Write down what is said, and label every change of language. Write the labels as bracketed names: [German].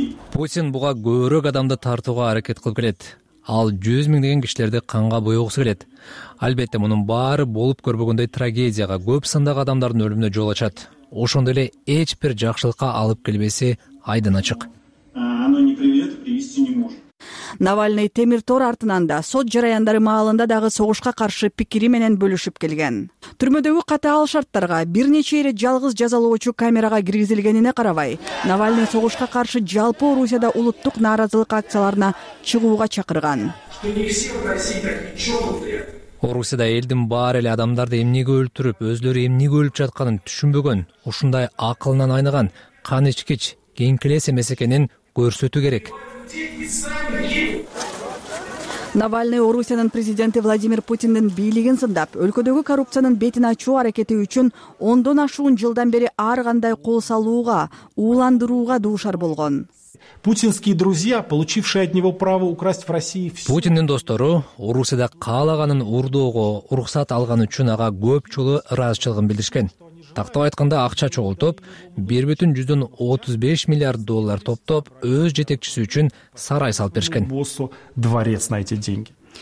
[Kyrgyz] Путин буга көбүрөөк адамды тартууга аракет кылып келет. Ал 100 миң деген кишилерди канга боегусу келет. Албетте мунун баары болуп көрбөгөндөй трагедияга, көп сандагы адамдардын өлүмүнө жол ачат. Ошондой эле эч бир жакшылыкка алып келбеси айдан ачык. [Russian] Оно не приведет, привести не может. [Kyrgyz] Навальный темир тор артынан да, сот жараяндары маалында дагы согушка каршы пикири менен бөлүшүп келген. Түрмөдөгү катаал шарттарга, бир нече эле жалгыз жазалоочу камерага киргизилгенине карабай, Навальный согушка каршы жалпы Орусияда улуттук нааразылык акцияларына чыгууга чакырган. Орусияда элдин баары эле адамдарды эмнеге өлтүрүп, өзлөрү эмнеге өлүп жатканын түшүнбөгөн, ушундай акылынан айныган, кан ичкич, кеңкелес эмес экенин көрсөтүү керек. Навальный Орусиянын президенти Владимир Путиндин бийлигин сындап, өлкөдөгү коррупциянын бетин ачуу аракети үчүн 10 ашуун жылдан бери ар кандай кол салууга, уландырууга дуушар болгон. [Russian] Путинские друзья, получившие от него право украсть в России всё. [Kyrgyz] Путиндин достору Орусияда каалаганын урдоого уруксат алган үчүн ага көп жолу ыраазычылыгын билдиришкен. Тактап айтканда акча чогултуп, 1,135 миллиард доллар топтоп, өз жетекчиси үчүн сарай салып беришкен. [Russian] Дворец на эти деньги.